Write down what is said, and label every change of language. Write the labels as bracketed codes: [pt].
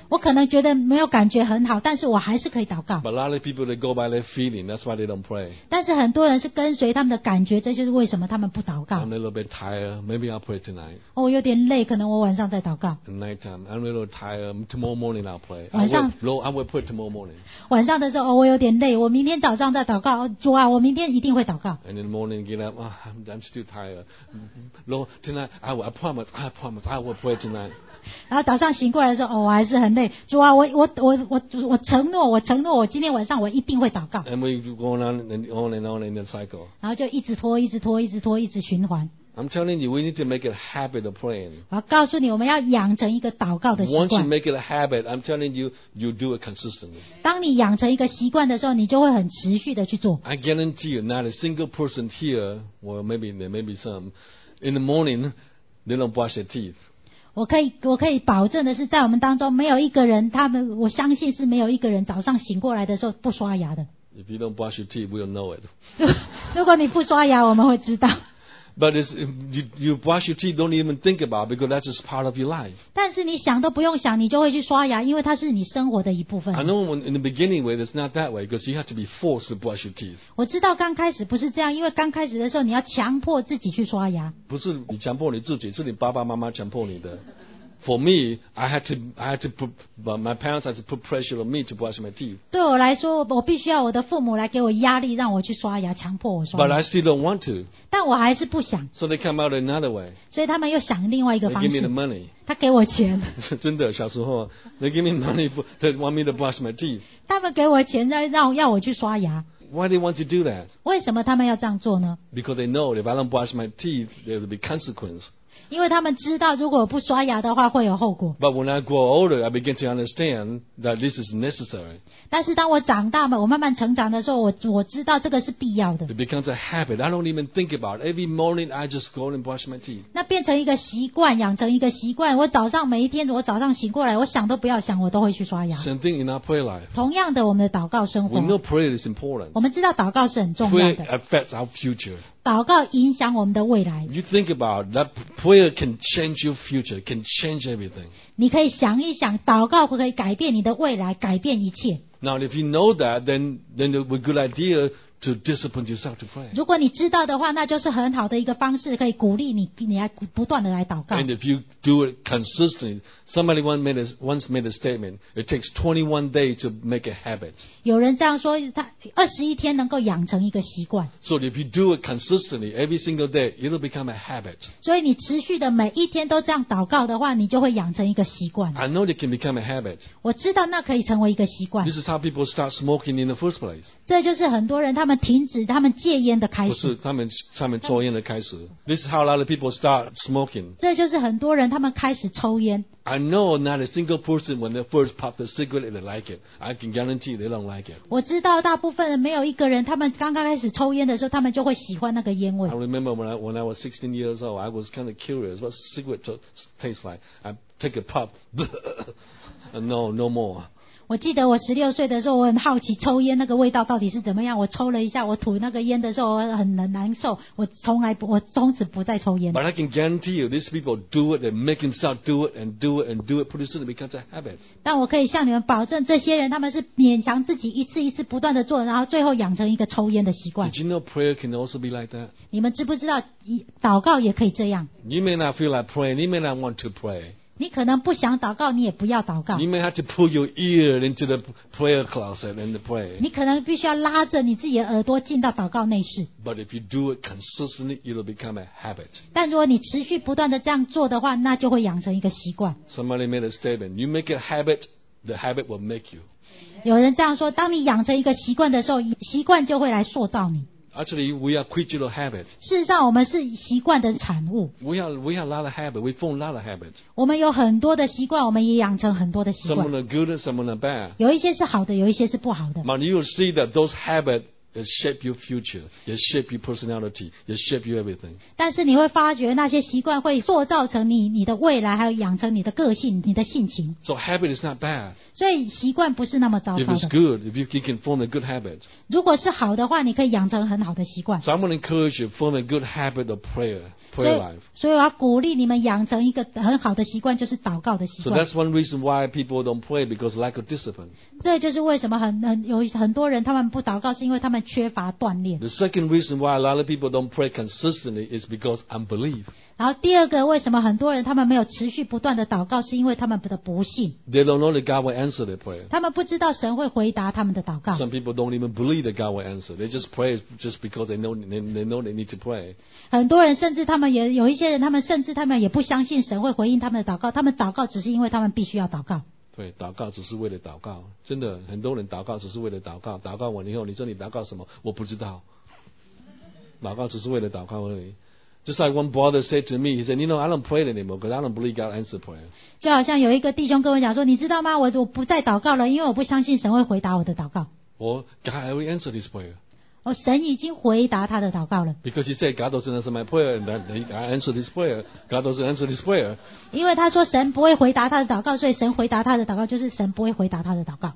[zh] 我可能觉得没有感觉很好，但是我还是可以祷告。 [en] But a lot of people they go by their feeling, that's why they don't pray. [zh] 但是很多人。是跟随他们的感觉，这就是为什么他们不祷告。 [en] I'm a little bit tired. Maybe I'll pray tonight. [zh] 我有点累，可能我晚上再祷告。 [en] Nighttime. I'm a little tired. Tomorrow morning I'll pray. [zh] 晚上 [en] I will pray tomorrow morning. [zh] 晚上的时候，我有点累，我明天早上再祷告。主啊，我明天一定会祷告。 [en] And in the morning, get up. Oh, I'm still tired. Lord, tonight I will. I promise. I will pray tonight. [zh] 然后早上醒过来的时候，哦，我还是很累。主啊，我承诺，我今天晚上我一定会祷告。 [en] And we go on and on and on in the cycle. [zh] 然后就一直拖，一直循环。 [en] I'm telling you, we need to make it a habit of praying. [zh] 我告诉你，我们要养成一个祷告的习惯。 [en] Once you make it a habit, I'm telling you, you do it consistently. [zh] 当你养成一个习惯的时候，你就会很持续的去做。 [en] I guarantee you, not a single person here, or maybe there may be some, in the morning, they don't brush their teeth. [zh] 我可以保证的是，在我们当中没有一个人，他们我相信是没有一个人早上醒过来的时候不刷牙的。 [en] If you don't brush your teeth, we'll know it. [zh] 如果你不刷牙，我们会知道。 [en] But you brush your teeth, don't even think about it because that's just part of your life. [zh] 但是你想都不用想，你就会去刷牙，因为它是你生活的一部分。 [en] I know in the beginning way, it's not that way because you have to be forced to brush your teeth. [zh] 我知道刚开始不是这样，因为刚开始的时候你要强迫自己去刷牙。不是你强迫你自己，是你爸爸妈妈强迫你的。 [en] For me, I had to put, but my parents had to put pressure on me to brush my teeth. [zh] 对我来说，我必须要我的父母来给我压力，让我去刷牙，强迫我刷牙。 [en] But I still don't want to. [zh] 但我还是不想。 [en] So they come out another way. [zh] 所以他们又想另外一个方式。 [en] They give me the money. [zh] 他给我钱。真的，小时候 [en] ，they give me money for they want me to brush my teeth. [zh] 他们给我钱要我去刷牙。 [en] Why do they want to do that? [zh] 为什么他们要这样做呢 [en] ？Because they know if I don't brush my teeth, there will be consequence. [zh] 因为他们知道，如果不刷牙的话，会有后果。 [en] But when I grow older, I begin to understand that this is necessary. [zh] 但是当我长大嘛，我慢慢成长的时候，我知道这个是必要的。 [en] It becomes a habit. I don't even think about it. Every morning, I just go and brush my teeth. [zh] 那变成一个习惯，养成一个习惯。我早上每一天，我早上醒过来，我想都不要想，我都会去刷牙。 [en] Same thing in our prayer life. [zh] 同样的，我们的祷告生活。 [en] We know prayer is important. [zh] 我们知道祷告是很重要的。 [en] Prayer affects our future. [zh] 祷告影响我们的未来。 [en] You think about that prayer can change your future, can change everything. [zh] 你可以想一想，祷告可以改变你的未来，改变一切。 [en] Now, if you know that, then it would be a good idea to discipline yourself to pray. [zh] 如果你知道的话，那就是很好的一个方式，可以鼓励你，你来不断的来祷告。 [en] And if you do it consistently, somebody once made a statement, it takes 21 days to make a habit. [zh] 有人这样说，他21天能够养成一个习惯。 [en] So if you do it consistently, every single day, it'll become a habit. [zh] 所以你持续的每一天都这样祷告的话，你就会养成一个习惯。 [en] I know it can become a habit. [zh] 我知道那可以成为一个习惯。 [en] This is how people start smoking in the first place. [zh] 这就是很多人他们们停止他们戒烟的开始。不是他们抽烟的开始。 [en] This is how a lot of people start smoking. [zh] 这就是很多人他们开始抽烟。 [en] I know not a single person when they first pop the cigarette they like it. I can guarantee they don't like it. [zh] 我知道大部分人没有一个人他们刚刚开始抽烟的时候他们就会喜欢那个烟味。 [en] I remember when I was 16 years old, I was kind of curious what cigarette tastes like. I take a pop. no more. [zh] 我记得我十六岁的时候，我很好奇抽烟那个味道到底是怎么样。我抽了一下，我吐那个烟的时候，我很难受。我从此不再抽烟。 [en] But I can guarantee you, these people do it, they make themselves do it, and do it, and do it. Pretty soon, it becomes a habit. [zh] 但我可以向你们保证，这些人他们是勉强自己一次一次不断的做，然后最后养成一个抽烟的习惯。 [en] Did you know prayer can also be like that? [zh] 你们知不知道，祷告也可以这样 [en] ？You may not feel like praying. You may not want to pray. [zh] 你可能不想祷告，你也不要祷告。 [en] You may have to put your ear into the prayer closet and pray. [zh] 你可能必须要拉着你自己的耳朵进到祷告内室。 [en] But if you do it consistently, it'll become a habit. [zh] 但如果你持续不断的这样做的话，那就会养成一个习惯。 [en] Somebody made a statement. You make a habit, the habit will make you. [zh] 有人这样说：当你养成一个习惯的时候，习惯就会来塑造你。 [en] Actually, we are creature of habit. [zh] 事实上，我们是习惯的产物。 [en] We have a lot of habit. We form a lot of habit. [zh] 我们有很多的习惯，我们也养成很多的习惯。 [en] Some are good, some are bad. [zh] 有一些是好的，有一些是不好的。 [en] But you will see that those habits shape your future, they shape your personality, they shape you everything. [zh] 但是你会发觉那些习惯会塑造成你的未来，还有养成你的个性、你的性情。 [en] So habit is not bad. [zh] 所以习惯不是那么糟糕的。 [en] If it's good, if you can form a good habit. [zh] 如果是好的话，你可以养成很好的习惯。 [en] So I'm going to encourage you to form a good habit of prayer. [zh] 所以我要鼓励你们养成一个很好的习惯，就是祷告的习惯。 [en] So that's one reason why people don't pray because lack of discipline. [zh] 这就是为什么很多人他们不祷告，是因为他们缺乏锻炼。 [en] The second reason why a lot of people don't pray consistently is because unbelief. [zh] 然后第二个为什么很多人他们没有持续不断的祷告，是因为他们的不信。 [en] They don't know that God will answer their prayer. [zh] 他们不知道神会回答他们的祷告。 [en] Some people don't even believe that God will answer. They just pray just because they know they need to pray. [zh] 很多人甚至他们也有一些人，他们甚至他们也不相信神会回应他们的祷告，他们祷告只是因为他们必须要祷告。对，祷告只是为了祷告，真的很多人祷告只是为了祷告。祷告完以后，你说你祷告什么？我不知道。祷告只是为了祷告而已。 [en] Just like one brother said to me, he said, "You know, I don't pray anymore because I don't believe God answers prayer." [zh] 就好像有一个弟兄跟我讲说，你知道吗？我不再祷告了，因为我不相信神会回答我的祷告。 [en] God already answered his prayer. [zh] 哦，神已经回答他的祷告了。 [en] Because he said God doesn't answer my prayer, and I answer his prayer. God doesn't answer his prayer. [zh] 因为他说神不会回答他的祷告，所以神回答他的祷告就是神不会回答他的祷告。